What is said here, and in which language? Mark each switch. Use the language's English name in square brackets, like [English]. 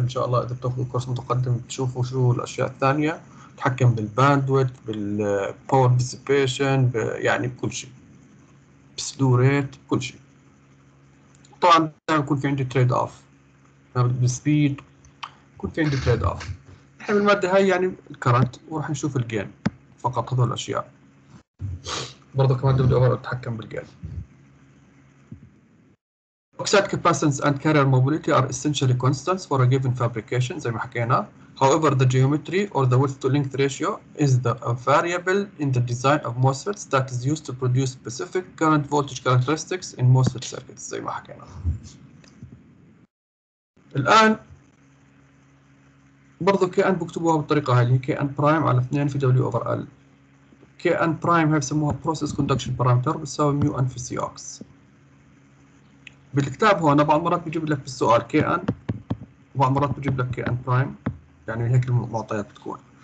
[Arabic] ان شاء الله اذا بتاخذوا كورس متقدم بتشوفوا شو الاشياء الثانيه، تحكم بالباندويت بالباور ديسيبيشن، يعني بكل شيء، بسلو ريت، كل شيء. طبعا دائما يكون في عندي تريد اوف بالسبيد، يكون في عندي تريد اوف. احنا بالماده هاي يعني الكرنت، وراح نشوف الجين فقط، هذول الاشياء. برضه كمان دبليو اوفر ال تحكم بالجين. [English] Oxide capacitance and carrier mobility are essentially constants for a given fabrication [Arabic] زي ما حكينا. [English] However, the geometry or the width to length ratio is the variable in the design of MOSFETs that is used to produce specific current voltage characteristics in MOSFET circuits [Arabic] زي ما حكينا. الآن برضو كي ان بكتبوها بالطريقة هاي، كي ان برايم على 2 في W over L. كي ان برايم هاي بسموها بروسيس كوندكشن بارامتر بتساوي ميو ان في سي اوكس. بالكتاب هون بعض مرات بيجيب لك بالسؤال كي ان وبعض مرات بيجيب لك كي ان برايم، يعني هيك المعطيات بتكون.